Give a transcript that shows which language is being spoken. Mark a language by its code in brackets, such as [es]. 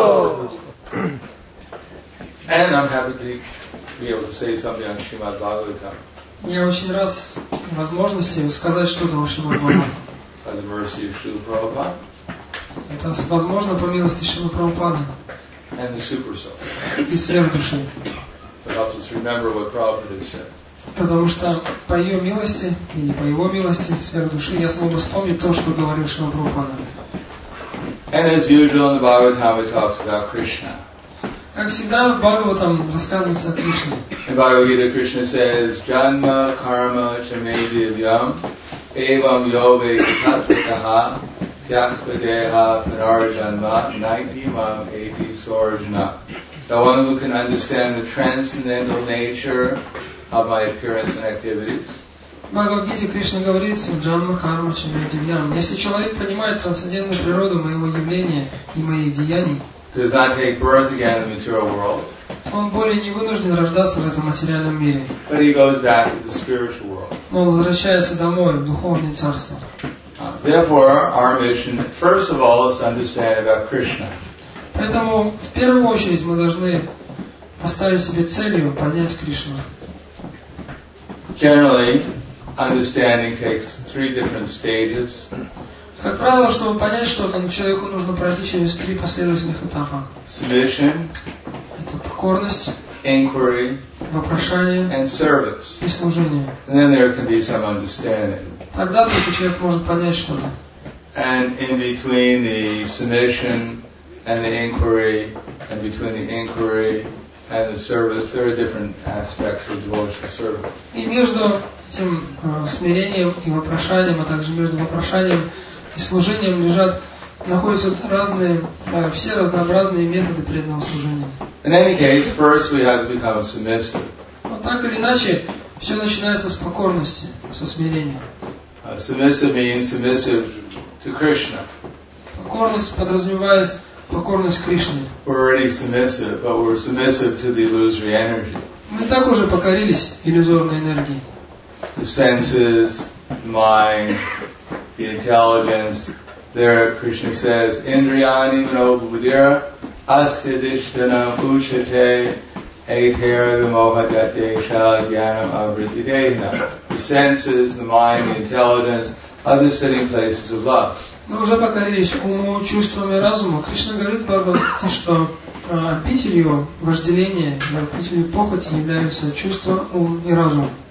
[en] And I'm happy to be able to say something on Shrimad Bhagavatam. [ru] Я очень рад возможности сказать что-то о Шримад Бхагаватам. [en] By the mercy of Шрила Прабхупада. [ru] Это возможно по милости Шрилы Прабхупады. [en] And the super soul. [ru] И сверхдуши. [en] But I'll just remember what Prabhupada said. [ru] Потому что по ее милости и по его милости сверх души я смогу вспомнить то, что говорил Шрила Прабхупада. [en] And as usual in the Bhagavatam it talks about Krishna. [ru] Как всегда в Бхагаватам рассказывается о Кришне. [en] In Bhagavad Gita Krishna says, [sa] "Janma karma cha me divyam, evam yo ve tatvataha, tyaktva deha punarjanma, naitimam eti sorjana." [en] The one who can understand the transcendental nature of my appearance and activities. [ru] Bhagavad Gita Krishna говорит, [sa] Джанма Карма Чамедивьям. [ru] Если человек понимает трансцендентную природу моего явления и моих деяний, [en] does not take birth again in the material world. [ru] Он более не вынужден рождаться в этом материальном мире. [en] But he goes back to the spiritual world. [ru] Но он возвращается домой, в духовное царство. [en] Therefore, our mission, first of all, is to understand about Krishna. [ru] Поэтому, в первую очередь, мы должны поставить себе целью понять Кришну. [en] Generally, understanding takes three different stages. [ru] Как правило, чтобы понять что-то, человеку нужно пройти через три последовательных этапа. [en] Submission. [ru] Это покорность. [en] Inquiry. [ru] Вопрошание. [en] And service. [ru] И служение. [en] And then there can be some understanding. [ru] Тогда только человек может понять что-то. [en] And in between the submission and the inquiry, and between the inquiry and the service, there are different aspects of devotional service. [ru] И между этим смирением и вопрошанием, а также между вопрошанием и служением лежат, находятся разные, все разнообразные методы преданного служения. [en] In any case, first we have to become submissive. [ru] Но так или иначе, все начинается с покорности, со смирения. [en] Submissive means submissive to Krishna. [ru] Покорность подразумевает покорность Кришне. [en] We're already submissive, but we're submissive to the illusory energy. [ru] Мы так уже покорились иллюзорной энергии. [en] The senses, mind, the intelligence. There, Krishna says, [sa] Indriyani manobhudira astyadishtana uchate ethera vimohadate shalagyanam avrityadehna. [en] The senses, the mind, the intelligence are the sitting places of lust. [ru] Мы уже покорились уму, чувствами, разуму. Кришна говорит Бхагавате, что обителью вожделения, обителью похоти являются чувства, ум и разум.